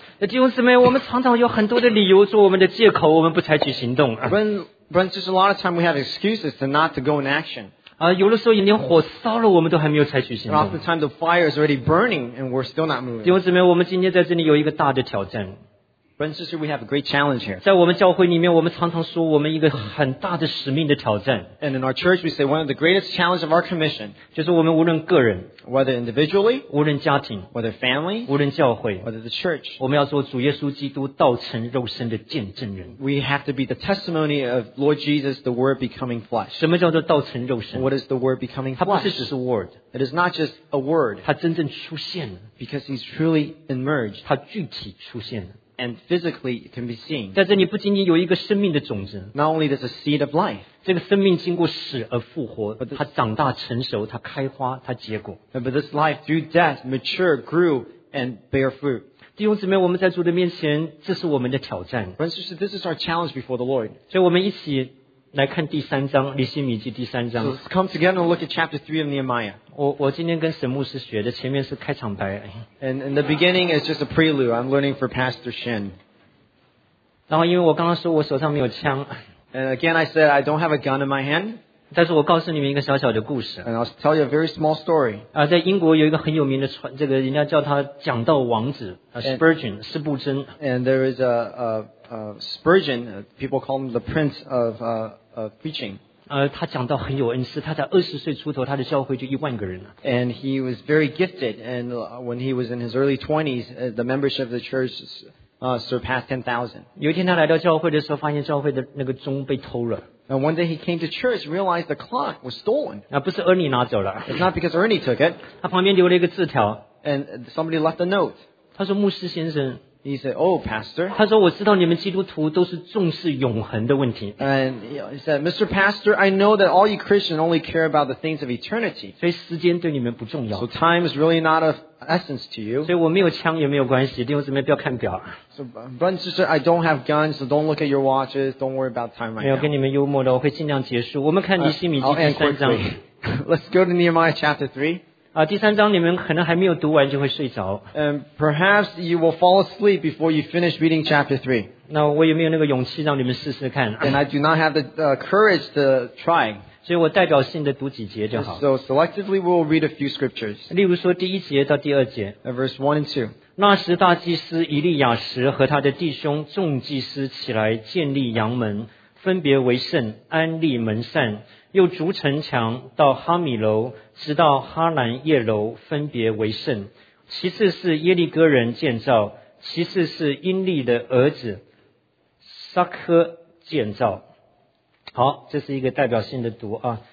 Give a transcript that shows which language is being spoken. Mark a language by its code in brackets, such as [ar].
[zh] 那弟兄姊妹，我们常常有很多的理由做我们的借口，我们不采取行动。 [en] But just a lot of time we have excuses to not to go in action. [zh] 有的时候连火烧了，我们都还没有采取行动。 [en] Often times the fire is already burning and we're still not moving. [zh] 弟兄姊妹，我们今天在这里有一个大的挑战。 [en] Brother and sister, we have a great challenge here. [zh] 在我们教会里面，我们常常说我们一个很大的使命的挑战。 [en] And in our church, we say one of the greatest challenge of our commission. [zh] 就是我们无论个人 [en] ，whether individually， [zh] 无论家庭 [en] ，whether family， [zh] 无论教会 [en] ，whether the church， [zh] 我们要做主耶稣基督道成肉身的见证人。 [en] We have to be the testimony of Lord Jesus, the Word becoming flesh. [zh] 什么叫做道成肉身 [en] ？What is the Word becoming flesh？ [zh] 它不是只是 word。 [en] It is not just a word. [zh] 它真正出现了。 [en] Because he's truly emerged. [zh] 它具体出现了。 [en] And physically it can be seen. [zh] 在这里不仅仅有一个生命的种子。 [en] Not only there's a seed of life. [zh] 这个生命经过死而复活，它长大成熟，它开花，它结果。 [en] But this life through death mature, grew, and bear fruit. [zh] 弟兄姊妹，我们在主的面前，这是我们的挑战。 [en] Brothers and sisters, this is our challenge before the Lord. [zh] 所以我们一起来看第三章，尼希米记第三章。 [en] So let's come together and look at chapter 3 of Nehemiah. [zh] 我今天跟沈牧师学的，前面是开场白。 [en] And in the beginning is just a prelude. I'm learning for Pastor Shin. [zh] 然后因为我刚刚说我手上没有枪。 [en] And again, I said I don't have a gun in my hand. [zh] 但是我告诉你们一个小小的故事。 [en] And I'll tell you a very small story. [zh] 在英国有一个很有名的传，这个人家叫他讲道王子 ，Spurgeon， 斯布珍。 [en] And there is a Spurgeon. People call him the Prince of preaching. [zh] 他讲到很有恩赐，他才二十岁出头，他的教会就一万个人了。 [en] And he was very gifted, and when he was in his early 20s, the membership of the church surpassed 10,000. [zh] 有一天他来到教会的时候，发现教会的那个钟被偷了。 [en] And one day he came to church, realized the clock was stolen. [zh] 不是 Ernie 拿走了。 [en] It's not because Ernie took it. [zh] 他旁边留了一个字条。 [en] And somebody left a note. [zh] 他说牧师先生。 [en] He said, "Oh, Pastor." [zh] 他说我知道你们基督徒都是重视永恒的问题。 [en] And he said, "Mr. Pastor, I know that all you Christians only care about the things of eternity." [zh] 所以时间对你们不重要。 [en] So time is really not of essence to you. [zh] 所以我没有枪也没有关系，弟兄姊妹不要看表。 [en] So, brother, sister, I don't have guns, so don't look at your watches. Don't worry about time right now. [zh] 没有跟你们幽默的，我会尽量结束。我们看尼希米记第三章。 [en] Let's go to Nehemiah chapter 3. [zh] 第三章你们可能还没有读完就会睡着。 [en] And perhaps you will fall asleep before you finish reading chapter 3. [zh] 那我有没有那个勇气让你们试试看 [en] ？And I do not have the courage to try. [zh] 所以我代表性的读几节就好。 [en] So selectively we will read a few scriptures. [zh] 例如说第一节到第二节。 [en] Verse 1 and 2. [zh] 那时大祭司以利亚什和他的弟兄众祭司起来建立羊门，分别为圣，安立门扇。又筑城墙到哈米楼直到哈兰叶楼分别为圣其次是耶利哥人建造其次是因利的儿子撒科建造好这是一个代表性的读啊。